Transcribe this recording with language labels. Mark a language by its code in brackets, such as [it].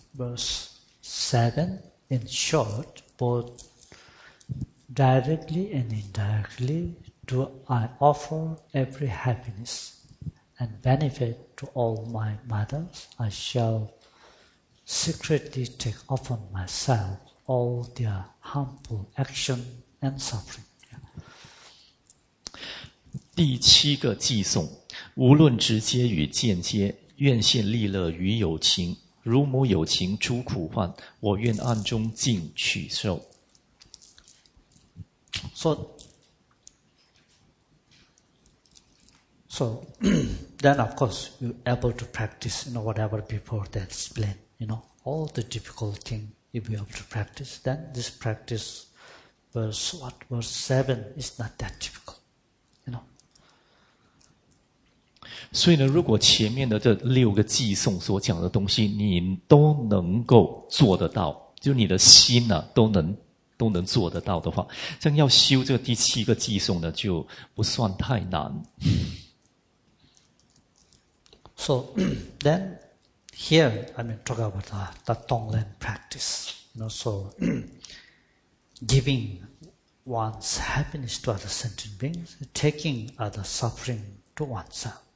[en] Verse 7 in short bothDirectly and indirectly do I offer every happiness and benefit to all my mothers. I shall secretly take upon myself all their harmful action and suffering. [zh] 第七个偈颂，无论直接与间接，愿现利乐与有情，如母有情诸苦患，我愿暗中尽取受。 [en] So, So then of course you're able to practice, you know, whatever before that explain, you know, all the difficult thing you'll be able to practice. Then this practice verse 7 is not that difficult. [zh] 所以呢，如果前面的这六个偈颂所讲的东西你都能够做得到，就你的心呢、啊、都能做得到的话，这样要修这个第七个偈颂呢就不算太难。 [en] So then here I mean talk about the Tonglen practice, you know, so giving one's happiness to other sentient beings, taking other suffering to oneself.